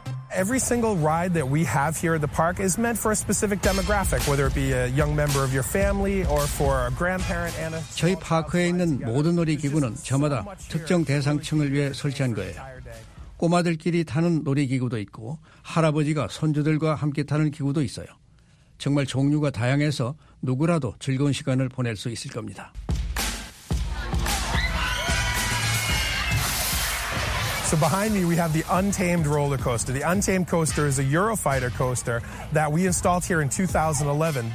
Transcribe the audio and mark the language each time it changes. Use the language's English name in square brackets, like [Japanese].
[English] every single ride that we have here at the park is meant for a specific demographic whether it be a young member of your family or for a grandparent and a [Korean] 저희 파크에 있는 모든 놀이 기구는 저마다 특정 대상층을 위해 설치한 거예요. 꼬마들끼리 타는 놀이 기구도 있고 할아버지가 손주들과 함께 타는 기구도 있어요. 정말 종류가 다양해서 누구라도 즐거운 시간을 보낼 수 있을 겁니다. [English] So behind me we have the Untamed roller coaster. The Untamed coaster is a Eurofighter coaster that we installed here in 2011.